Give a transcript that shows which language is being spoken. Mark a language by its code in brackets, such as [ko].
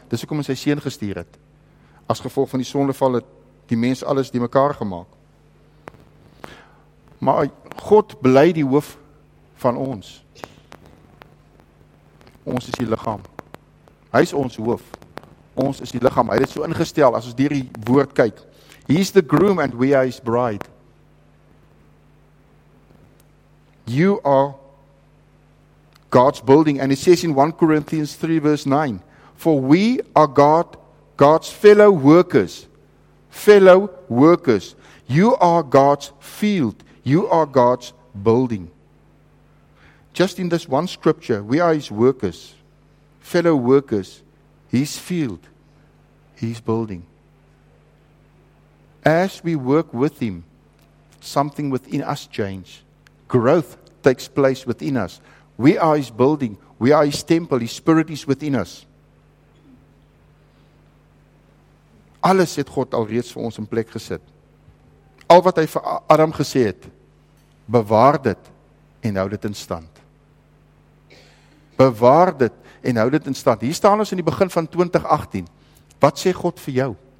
[af] Dis hoekom hy sy seun gestuur het. As gevolg van die sondeval het die mens alles die mekaar gemaak. Maar God bly die hoof van ons. Ons is die liggaam. Hy is ons hoof. Ons is die liggaam. Hy het so ingestel, as ons hierdie woord kyk. [en] He is the groom and we are his bride. You are God's building. And it says in 1 Corinthians 3 verse 9. For we are God's fellow workers. Fellow workers. You are God's field. You are God's building. Just in this one scripture, we are his workers, fellow workers, his field, his building. As we work with him, something within us changes. Growth takes place within us. We are his building, we are his temple, his spirit is within us. [af] Alles het God alreeds vir ons in plek gesit. Al wat hy vir Adam gesê het, bewaar dit en hou dit in stand. Bewaar dit en hou dit in stand. Hier staan ons in die begin van 2018. Wat sê God vir jou?